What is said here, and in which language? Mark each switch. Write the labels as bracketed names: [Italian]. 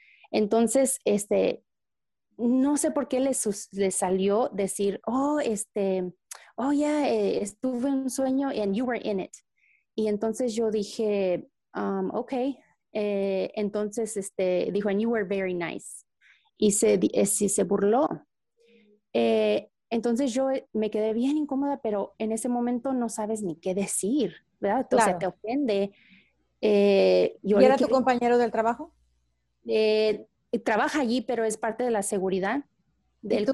[Spanish] Entonces, no sé por qué le salió decir, oh, yeah, estuve en un sueño [English] and you were in it. [Spanish] Y entonces yo dije, okay. Entonces, dijo, [English] and you were very nice. [Spanish] Y se burló. Entonces yo me quedé bien incómoda, pero en ese momento no sabes ni qué decir, ¿verdad? Entonces, claro. Te ofende. ¿Y era tu compañero del trabajo? Trabaja allí, pero es parte de la seguridad del